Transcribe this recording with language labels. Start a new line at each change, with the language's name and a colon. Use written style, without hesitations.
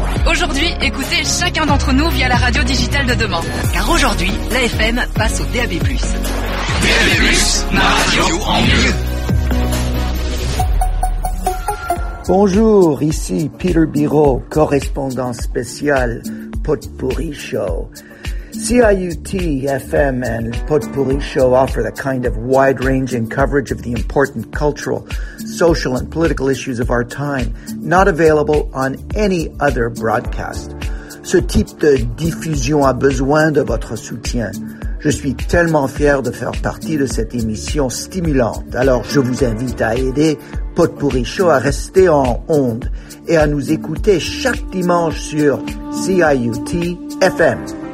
French: Aujourd'hui, écoutez chacun d'entre nous via la radio digitale de demain. Car aujourd'hui, la FM passe au DAB+. DAB+, ma radio en mieux. Bonjour, ici Peter Biro, correspondant spécial Potpourri Show.
English: CIUT FM and Potpourri Show offer the kind of wide-ranging coverage of the important cultural, social, and political issues of our time, not available on any other broadcast.
French: Ce type de diffusion a besoin de votre soutien. Je suis tellement fier de faire partie de cette émission stimulante. Alors, je vous invite à aider Potpourri Show à rester en onde et à nous écouter chaque dimanche sur CIUT FM.